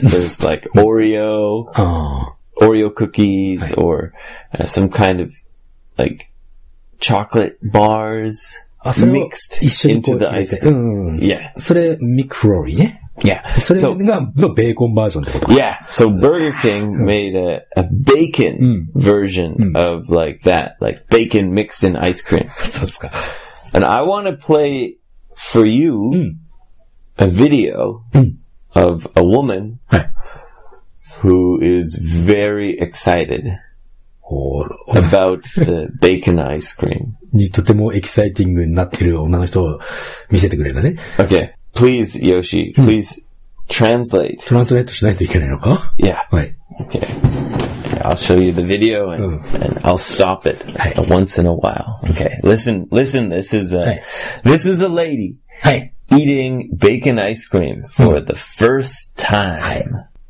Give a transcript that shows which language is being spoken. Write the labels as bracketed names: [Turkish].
[English] There's like Oreo, Oreo cookies, or some kind of like chocolate bars mixed into the ice cream. Yeah. [Japanese] それ McFlurry ね? [English] Yeah. [Japanese] それがのベーコンバージョンってことか? [English] Yeah. So Burger King made a bacon version of like that, like bacon mixed in ice cream. [Japanese] そうですか。 [English] And I want to play for you a video of a woman who is very excited about the bacon ice cream. [Japanese] にとてもエキサイティングになってる女の人を見せてくれるんだね。 [English] Okay, please, Yoshi, please translate. [Japanese] トランスレートしないといけないのか? [English] Yeah. [Japanese] はい。 [English] Okay. I'll show you the video and,and I'll stop it once in a while. Okay. Listen, this is a lady eating bacon ice cream for the first time.